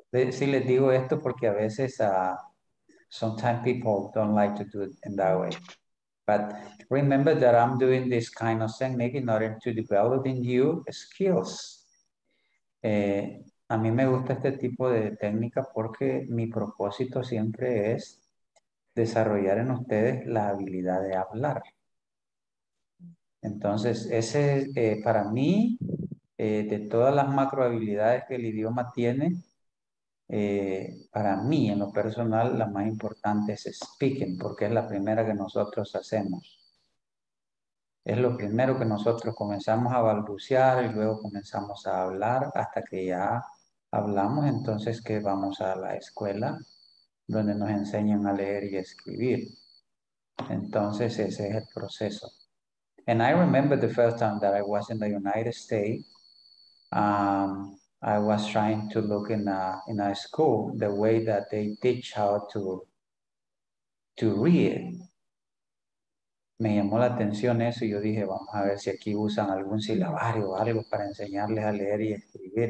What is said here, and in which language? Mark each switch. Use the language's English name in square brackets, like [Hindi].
[Spanish] Sí, les digo esto porque a veces, [English] sometimes people don't like to do it in that way. But remember that I'm doing this kind of technique in order to develop in you skills. [Spanish] A mí me gusta este tipo de técnica porque mi propósito siempre es desarrollar en ustedes la habilidad de hablar. Entonces, ese es para mí, de todas las macro habilidades que el idioma tiene, para mí en lo personal la más importante es speaking, porque es la primera que nosotros hacemos. Es lo primero que nosotros comenzamos a balbucear y luego comenzamos a hablar hasta que ya hablamos, entonces que vamos a la escuela donde nos enseñan a leer y escribir. Entonces ese es el proceso. [English] And I remember the first time that I was in the United States, I was trying to look in a school the way that they teach how to to read. [Spanish] Me llamó la atención eso y yo dije, vamos a ver si aquí usan algún silabario o algo para enseñarles a leer y escribir.